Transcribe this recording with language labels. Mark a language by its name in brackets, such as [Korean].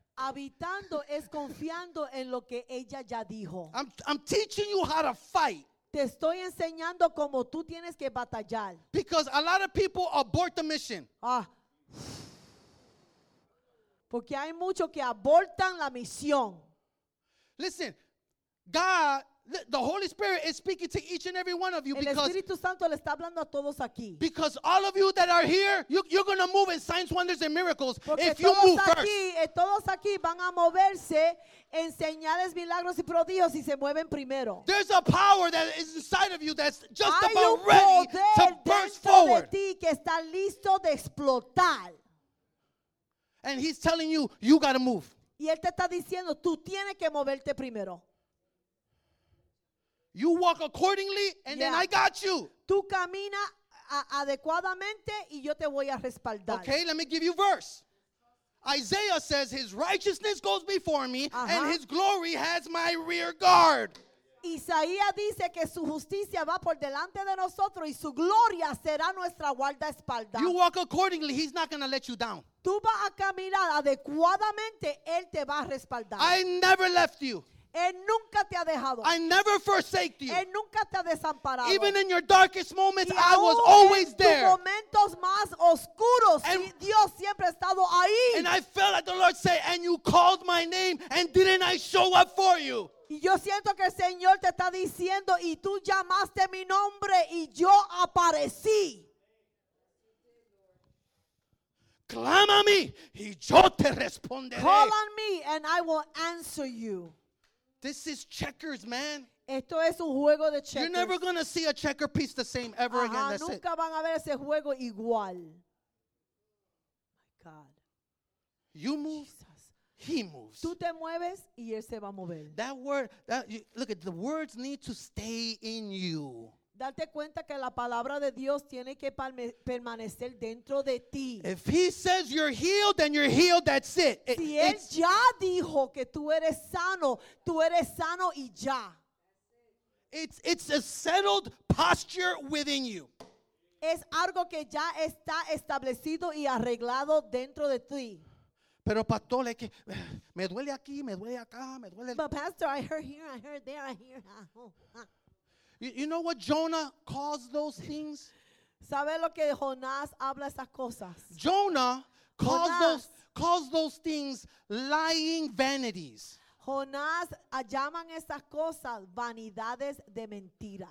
[Spanish] Habitando es confiando en lo que ella ya dijo. [English] I'm teaching you how to fight. [Spanish] Te estoy enseñando cómo tú tienes que batallar. [English] Because a lot of people abort the mission. [Spanish] Porque hay muchos que abortan la misión. [English] Listen, God, the Holy Spirit is speaking to each and every one of you. [Spanish] El Espíritu Santo le está hablando a todos aquí. [English] Because all of you that are here, you're going to move in signs, wonders, and miracles if you move first. [Spanish] Todos aquí van a moverse en señales, milagros y prodigios si se mueven primero. [English] There's a power that is inside of you that's just about ready to burst forward. [Spanish] Hay un poder dentro de ti que está listo de explotar. [English] And he's telling you, you got to move. [Spanish] Y él te está diciendo, tú tienes que moverte primero. [English] You walk accordingly, and then I got you. [Spanish] Tú camina adecuadamente, y yo te voy a respaldar. [English] Okay, let me give you verse. Isaiah says, his righteousness goes before me, and his glory has my rear guard. [Spanish] Isaías dice que su justicia va por delante de nosotros, y su gloria será nuestra guardaespaldas. [English] You walk accordingly, he's not going to let you down. [Spanish] Tú vas a caminar adecuadamente, Él te va a respaldar. [English] I never left you. [Spanish] Él nunca te ha dejado. [English] I never forsaked you. [Spanish] Él nunca te ha desamparado. [English] Even in your darkest moments, I was always there. [Spanish] En tus momentos más oscuros, Dios siempre ha estado ahí. [English] And I felt like the Lord said, and you called my name, and didn't I show up for you? [Spanish] Y yo siento que el Señor te está diciendo, y tú llamaste mi nombre, y yo aparecí. Clámame y yo te responderé. [English] Call on me and I will answer you. This is checkers, man. [Spanish] Esto es un juego de checkers. [English] You're never going to see a checker piece the same ever again. That's [Spanish] nunca [English] it. [Spanish] Van a ver ese juego igual. [English] My God. You move. Jesus. He moves. [Spanish] Tú te mueves y él se va a mover. [English] That word, look at the words need to stay in you. [Spanish] Date cuenta que la palabra de Dios tiene que permanecer dentro de ti. [English] If he says you're healed, then you're healed, that's it. [Spanish] Si él ya dijo que tú eres sano y ya. [English] It's a settled posture within you. [Spanish] Es algo que ya está establecido y arreglado dentro de ti. Pero pastor, es que me duele aquí, me duele acá, me duele. [English] But pastor, I heard here, I heard there, I hear. You know what Jonah calls those things? [Spanish] ¿Sabe lo que Jonás habla esas cosas? [English] Jonah calls those things lying vanities. [Spanish] Jonás llaman esas cosas vanidades de mentiras.